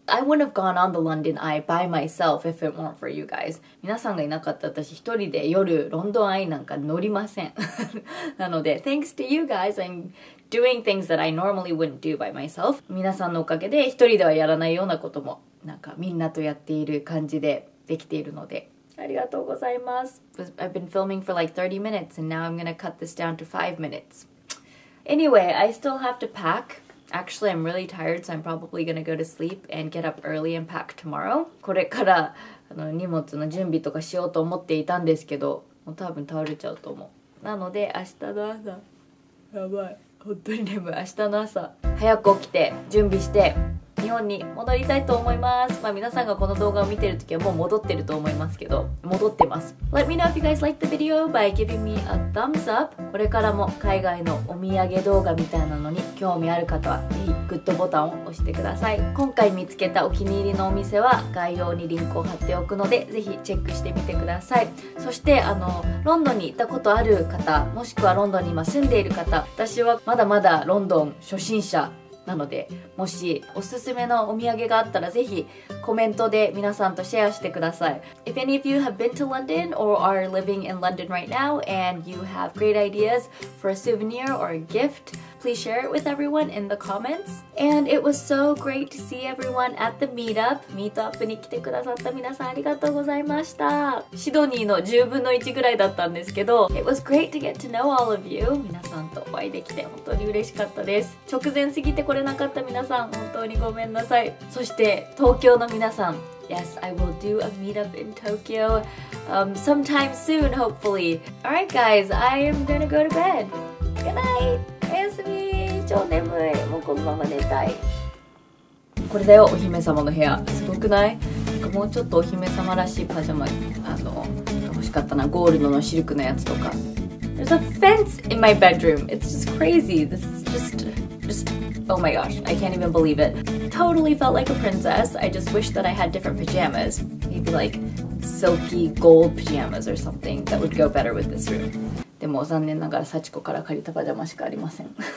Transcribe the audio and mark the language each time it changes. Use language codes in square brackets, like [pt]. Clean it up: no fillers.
[en] I wouldn't have gone on the London Eye by myself if it weren't for you guys. [ja] 皆さんがいなかったら私一人で夜ロンドンアイなんか乗りません。なので、 [en] Thanks to you guys, I'm doing things that I normally wouldn't do by myself. [ja] 皆さんのおかげで一人ではやらないようなこともなんかみんなとやっている感じでできているので。ありがとうございます。 [en] I've been filming for like 30 minutes and now I'm gonna cut this down to 5 minutes. Anyway, I still have to pack. Actually, I'm really tired, so I'm probably gonna go to sleep and get up early and pack tomorrow. [ja] これから荷物の準備とかしようと思っていたんですけど、もう多分倒れちゃうと思う。なので明日の朝、やばい、本当に眠い。明日の朝、早く起きて準備して、日本に戻りたいと思います。まあ皆さんがこの動画を見てるときはもう戻ってると思いますけど、戻ってます。 [en] Let me know if you guys like the video by giving me a thumbs up. [ja] これからも海外のお土産動画みたいなのに興味ある方は、ぜひグッドボタンを押してください。今回見つけたお気に入りのお店は概要にリンクを貼っておくので、ぜひチェックしてみてください。そしてロンドンに行ったことある方、もしくはロンドンに今住んでいる方、私はまだまだロンドン初心者。なのでもしおすすめのお土産があったらぜひコメントで皆さんとシェアしてください。 [en] If any of you have been to London or are living in London right now and you have great ideas for a souvenir or a gift, please share it with everyone in the comments. And it was so great to see everyone at the meetup. [ja] Meetup に来てくださった皆さんありがとうございました。シドニーの10分の1ぐらいだったんですけど、 [en] It was great to get to know all of you. [ja] 皆さんとお会いできて本当に嬉しかったです。直前すぎて来れなかった皆さん本当にごめんなさい。そして東京の皆さん、 [en] Yes, I will do a meetup in Tokyo sometime soon, hopefully. Alright guys, I am gonna go to bed. Good night! [ja] おやすみ。超眠い。もうこのまま寝たい。これだよ、お姫様の部屋。すごくない？なんかもうちょっとお姫様らしいパジャマ欲しかったな。ゴールドのシルクのやつとか。 [en] There's a fence in my bedroom. It's just crazy. This is just... Oh my gosh, I can't even believe it. Totally felt like a princess. I just wish that I had different pajamas. Maybe like silky gold pajamas or something that would go better with this room. [ja] でも残念ながら幸子から借りたパジャマしかありません。